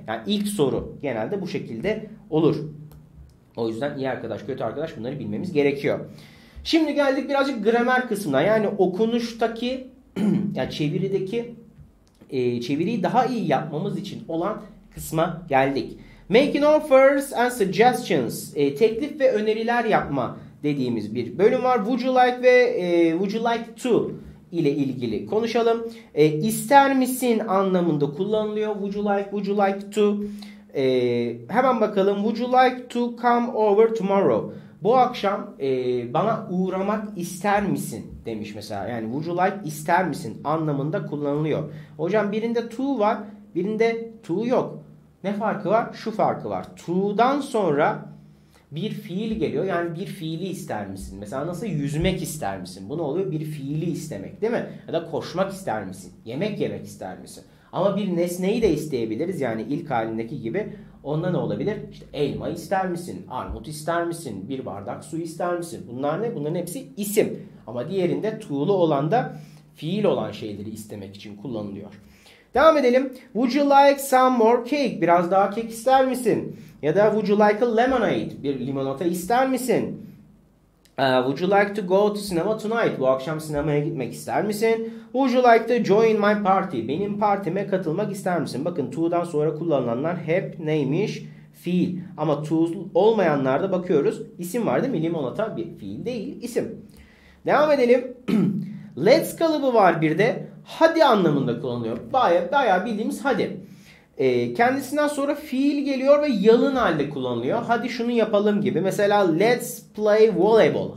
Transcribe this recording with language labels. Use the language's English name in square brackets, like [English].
[Turkish] Yani ilk soru genelde bu şekilde olur. O yüzden iyi arkadaş, kötü arkadaş bunları bilmemiz gerekiyor. Şimdi geldik birazcık gramer kısmına. Yani okunuştaki yani çevirideki çeviriyi daha iyi yapmamız için olan kısma geldik. [English] Making offers and suggestions. [Turkish] Teklif ve öneriler yapma dediğimiz bir bölüm var. [English] Would you like ve would you like to [Turkish] ile ilgili konuşalım. İster misin anlamında kullanılıyor. [English] Would you like, would you like to. [Turkish] Hemen bakalım. [English] Would you like to come over tomorrow? [Turkish] Bu akşam bana uğramak ister misin demiş mesela. Yani would you like ister misin anlamında kullanılıyor. Hocam birinde to var, birinde to yok. Ne farkı var? Şu farkı var. To'dan sonra bir fiil geliyor. Yani bir fiili ister misin? Mesela nasıl yüzmek ister misin? Bu ne oluyor? Bir fiili istemek değil mi? Ya da koşmak ister misin? Yemek yemek ister misin? Ama bir nesneyi de isteyebiliriz. Yani ilk halindeki gibi. Onda ne olabilir? İşte elma ister misin? Armut ister misin? Bir bardak su ister misin? Bunlar ne? Bunların hepsi isim. Ama diğerinde to'lu olan da fiil olan şeyleri istemek için kullanılıyor. Devam edelim. [English] Would you like some more cake? [Turkish] Biraz daha kek ister misin? Ya da [English] would you like a lemonade? [Turkish] Bir limonata ister misin? [English] Would you like to go to cinema tonight? [Turkish] Bu akşam sinemaya gitmek ister misin? [English] Would you like to join my party? [Turkish] Benim partime katılmak ister misin? Bakın to'dan sonra kullanılanlar hep neymiş? Fiil. Ama to olmayanlarda bakıyoruz. İsim var değil mi? Limonata bir fiil değil. İsim. Devam edelim. Let's kalıbı var bir de. Hadi anlamında kullanılıyor. Bayağı bildiğimiz hadi. Kendisinden sonra fiil geliyor ve yalın halde kullanılıyor. Hadi şunu yapalım gibi. Mesela [English] let's play volleyball.